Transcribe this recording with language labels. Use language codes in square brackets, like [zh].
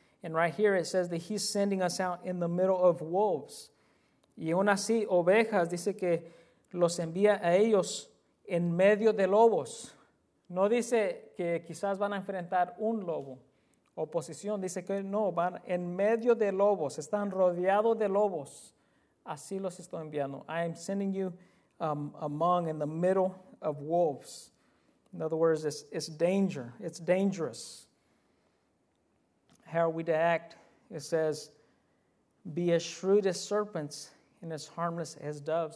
[en] And right here it says that he's sending us out in the middle of wolves. [es] Y aún así, ovejas, dice que los envía a ellos en medio de lobos. No dice que quizás van a enfrentar un lobo. Oposición, dice que no, van en medio de lobos. Están rodeados de lobos. Así los estoy enviando. [en] I am sending you among, in the middle of wolves. In other words, it's danger. It's dangerous. How are we to act It says, be as shrewd as serpents and as harmless as doves.